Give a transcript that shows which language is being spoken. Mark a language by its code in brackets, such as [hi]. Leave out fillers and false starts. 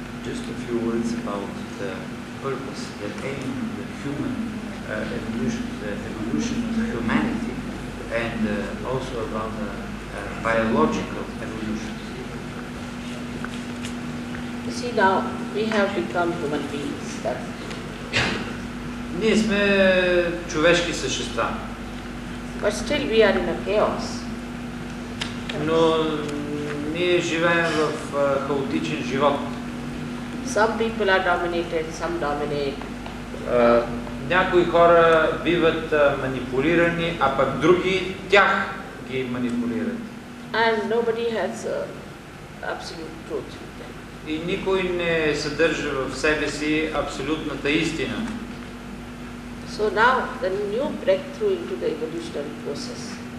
[en] Just a few words about the purpose, the aim of the human evolution, the evolution of humanity, and also about the biological evolution. You see, now we have become human beings. [bg] Ние сме човешки същества. [en] But still we are in a chaos. [bg] Но ние живеем в хаотичен живот. [en] Some people are dominated, some dominate. [bg] Някои хора биват манипулирани, а пък други тях ги манипулират. [en] And nobody has absolute truth. [bg] И никой не съдържа в себе си абсолютната истина. [en] So now the new breakthrough into the evolutionary process.